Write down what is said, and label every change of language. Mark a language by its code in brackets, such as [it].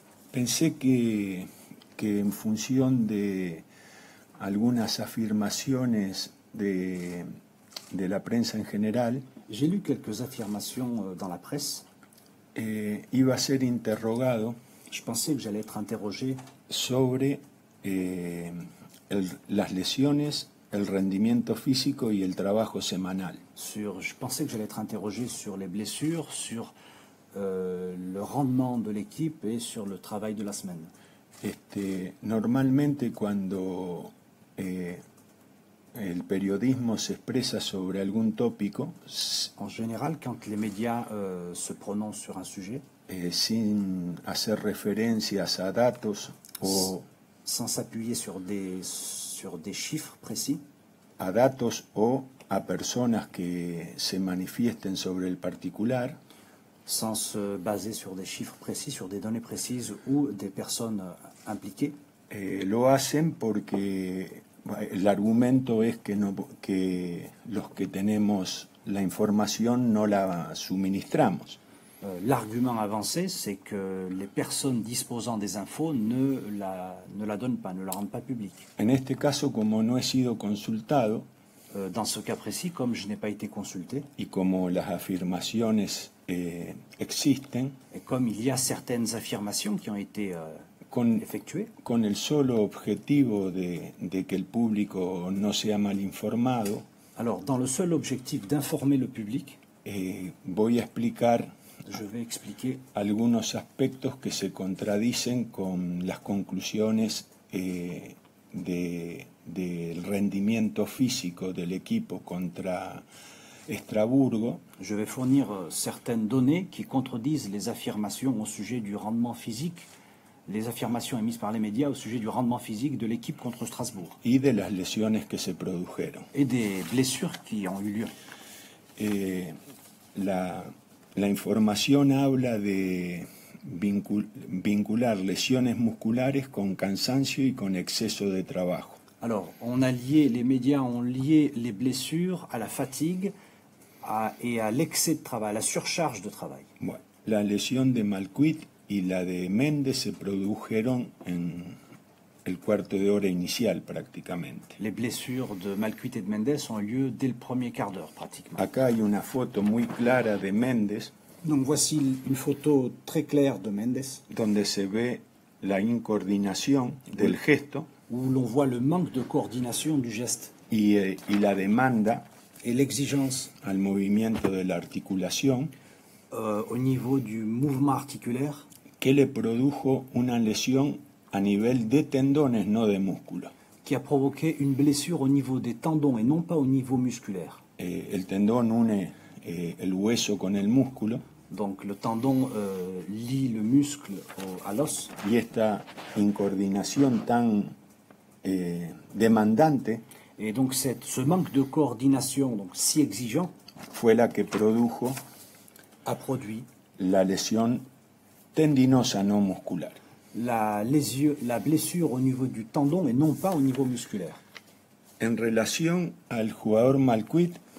[es] Pensé que en función de algunas afirmaciones de la prensa en general, [fr] J'ai lu quelques affirmations dans la presse. [es] iba a ser interrogado [fr] Je pensais que j'allais être interrogé. [es] sobre las lesiones, el rendimiento físico y el trabajo semanal. [fr] Je pensais que j'allais être interrogé sur les blessures, sur le rendement de l'équipe et sur le travail de la semaine. [es] Normalmente cuando el periodismo se expresa sobre algún tópico, [fr] En général, quand les médias se prononcent sur un sujet, [es] sin hacer referencias a datos o [fr] sans s'appuyer sur des chiffres précis, [es] a datos o a personas que se manifiesten sobre el particular, [fr] sans se baser sur des chiffres précis, sur des données précises ou des personnes impliquées. [es] lo hacen porque el argumento es que no, que los que tenemos la información no la suministramos. [fr] L'argument avancé, c'est que les personnes disposant des infos ne la donnent pas, ne la rendent pas publique. [es] En este caso, como no he sido consultado, [fr] Dans ce cas précis, comme je n'ai pas été consulté, [es] y como las afirmaciones existen, [fr] et comme il y a certaines affirmations qui ont été effectuées, [es] con el solo objetivo de que el público no sea mal informado, [fr] alors dans le seul objectif d'informer le public, [es] voy a explicar [fr] Je vais expliquer. [es] algunos aspectos que se contradicen con las conclusiones del rendimiento físico del equipo contra Estrasburgo. [fr] Je vais fournir certaines données qui contredisent les affirmations au sujet du rendement physique, les affirmations émises par les médias au sujet du rendement physique de l'équipe contre Strasbourg [es] Y de las lesiones que se produjeron. [fr] et des blessures qui ont eu lieu. [es] La información habla de vincular lesiones musculares con cansancio y con exceso de trabajo. [fr] Alors, on a lié, les médias ont lié les blessures à la fatigue et à l'excès de travail, à la surcharge de travail. [es] Bueno, la lesión de Malcuit y la de Méndez se produjeron en el cuarto de hora inicial prácticamente. [fr] Les blessures de Malcuit et de Mendes ont lieu dès le premier quart d'heure, pratiquement. [es] Acá hay una foto muy clara de Méndez, [fr] Donc voici une photo très claire de Mendes. [es] donde se ve la incoordinación del gesto [fr] Où l'on voit le manque de coordination du geste [es] y la demanda [fr] et l'exigence [es] al movimiento de la articulación, [fr] au niveau du mouvement articulaire. [es] que le produjo una lesión a nivel de tendones, no de músculo. [fr] Qui a provoqué une blessure au niveau des tendons et non pas au niveau musculaire. [es] El tendón une el hueso con el músculo. [fr] Donc le tendon lie le muscle à l'os. [es] Y esta incoordinación tan demandante [fr] Et donc ce manque de coordination, donc si exigeant, [es] fue la que produjo [fr] a produit [es] la lesión tendinosa no muscular. [fr] La blessure au niveau du tendon et non pas au niveau musculaire. [es] En relación al jugador Malcuit,